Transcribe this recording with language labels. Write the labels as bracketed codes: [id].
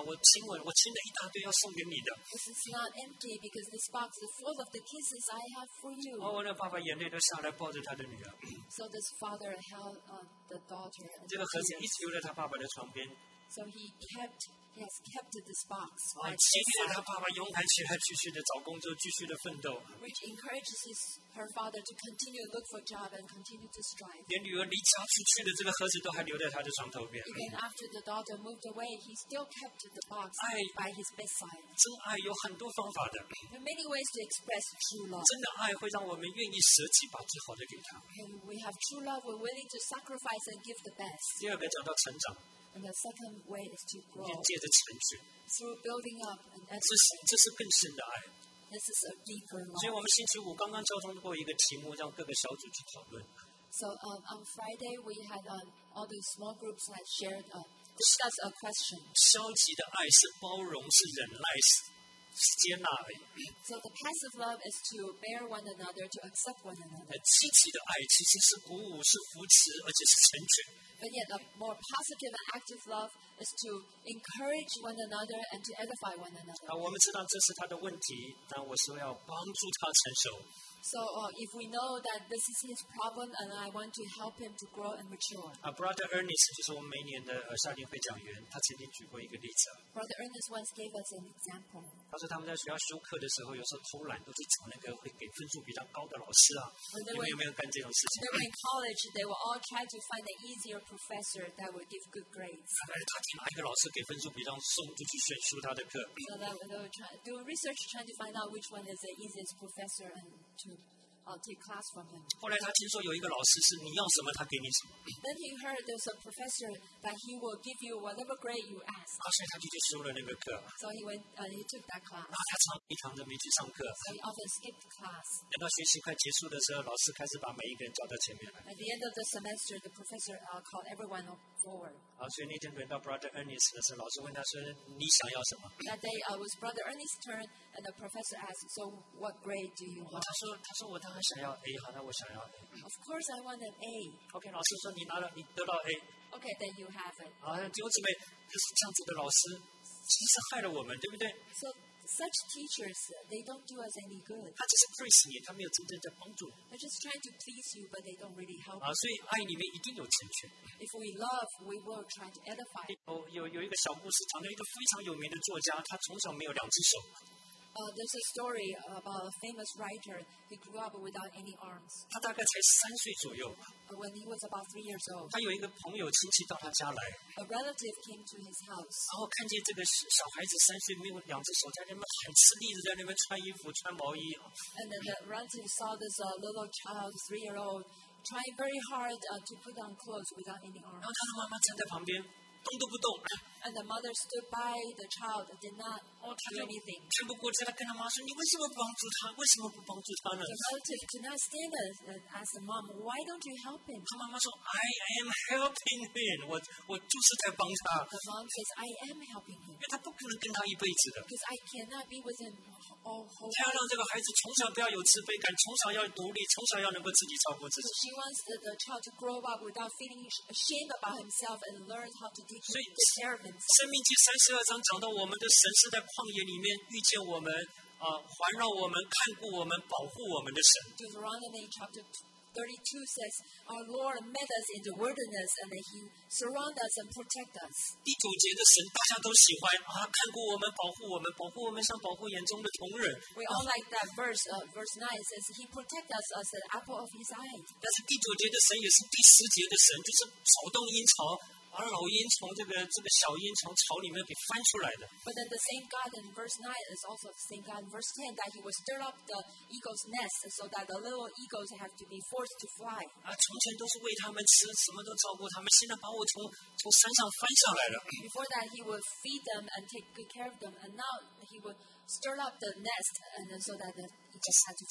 [zh] 她说不是空的，里面充满了我对你的kiss，我亲吻，我亲了一大堆要送给你的。 [en] This is not empty because this box is full of the kisses I have for you. [zh] 哦，我那爸爸眼泪都下来，抱着他的女儿。 [en] So this father held the daughter. [zh] 这个盒子一直留在他爸爸的床边。 [en] So he has kept this box. [zh] 激励了他爸爸勇敢起来，继续的找工作，继续的奋斗。 [en] Which encourages her father to continue to look for a job and continue to strive. [zh] 连女儿离家出去的这个盒子都还留在他的床头边。 [en] Even after the daughter moved away, he still kept the box by his bedside. [zh] 真爱有很多方法的。 [en] There are many ways to express true love. [zh] 真的爱会让我们愿意舍弃把最好的给他。 [en] And we have true love, we're willing to sacrifice and give the best. [zh] 第二个讲到成长。 [en] And the second way is to grow [zh] 借着成绩, [en] through building up and educating. This is a deeper love. [zh] 所以我们星期五刚刚交通过一个题目，让各个小组去讨论。 [en] So on Friday, we had all the small groups that shared, discuss a question. [zh] 消极的爱是包容，是忍耐，是接纳而已。 [en] So the passive love is to bear one another, to accept one another. [zh] 积极的爱其实是鼓舞，是扶持，而且是成全。 [en] But yet, a more positive and active love is to encourage one another and to edify one another. [zh] 我们知道这是他的问题，但我说要帮助他成熟。 [en] So, if we know that this is his problem, and I want to help him to grow and mature. [zh] Brother Ernest 就是我们每年的校联会讲员，他曾经举过一个例子。 [en] Brother Ernest once gave us an example. [zh] 他说他们在学校修课的时候，有时候偷懒，都去找那个会给分数比较高的老师啊。有没有干这种事情 [en] ？They were in college. They were all trying to find an easier professor that would give good grades. [zh] 他去拿一个老师给分数比较松，就去选修他的课。 [en] So that they were doing research, trying to find out which one is the easiest professor and. Take class from him. [zh] 后来他听说有一个老师是你要什么他给你什么。 [en] Then he heard there's a professor that he will give you whatever grade you ask. [zh] 所以他就去修了那个课。 [en] So he went, he took that class. [zh] 然后他常非常的没去上课。 [en] So he often skipped class. [zh] 等到学习快结束的时候，老师开始把每一个人叫到前面来。 [en] At the end of the semester, the professor called everyone forward. [zh] 所以那天轮到 Brother Ernest 的时候，老师问他说：“你想要什么？” [en] That day, was Brother Ernest's turn, and the professor asked, "So what grade do you want?" [zh] 他说我当然想要 A， 好，那我想要 A。 [en] Of course, I want an A. [zh] Okay, 老师说你得到 A。 [en] Okay, then you have it. [zh] 好，弟兄姊妹，就是这样子的老师，其实害了我们，对不对 [en] ？So such teachers, they don't do us any good. [zh] 他只是 please 你，他没有真正的帮助。 [en] They're just trying to please you, but they don't really help. [zh] 所以爱里面一定有成全。 [en] If we love, we will try to edify. [zh] 有一个小故事，讲到一个非常有名的作家，他从小没有两只手。 [en] There's a story about a famous writer. He grew up without any arms. [zh] 他大概才三岁左右。 [en] When he was about 3 years old. [zh] 他有一个朋友亲戚到他家来。 [en] A relative came to his house. [zh] 然后看见这个小孩子三岁没有两只手，在那边很吃力的在那边穿衣服穿毛衣。 [en] And then the relative saw this little child, 3 year old, trying very hard to put on clothes without any arms. [zh] 然后他的妈妈站在旁边。动都不动。 [en] And the mother stood by the child, did not do anything. [zh] 看不过去，他跟他妈说：“你为什么不帮助他？为什么不帮助他呢？” [en] The relative did not stand up and asked the mom, "Why don't you help him?" [zh] 他妈妈说 ： [en] “I am helping him. [zh] 我就是在帮他。” [en] The mom says, "I am helping him." [zh] 因为他不可能跟他一辈子的。 [en] Because I cannot be with him all whole. [zh] 他要让这个孩子从小不要有自卑感，从小要独立，从小要能够自己照顾自己。 [en] She wants the child to grow up without feeling ashamed about himself and learn how to. [zh] 所以，生命记三十二章讲到我们的神是在旷野里面遇见我们，环绕我们，看顾我们，保护我们的神。 [en] Deuteronomy chapter 32 says, "Our Lord met us in the wilderness, and He surrounded us and protected us." [zh] 第九节的神大家都喜欢啊，看顾我们，保护我们，保护我们像保护眼中的瞳仁。 [en] We all like that verse. Verse 9 says, "He protected us as an apple of His eye." [zh] 但是第九节的神也是第十节的神，就是草动阴潮。而老鹰从这个小鹰从巢里面给翻出来的。 [en] But then the same God in verse 9 is also the same God in verse 10 that He will stir up the eagle's nest so that the little eagles have to be forced to fly. [zh] 从前都是喂他们吃，什么都照顾他们，现在把我从山上翻下来了。 [en] Before that He would feed them and take good care of them, and now He would stir up the nest and then so that the eagles have to fly.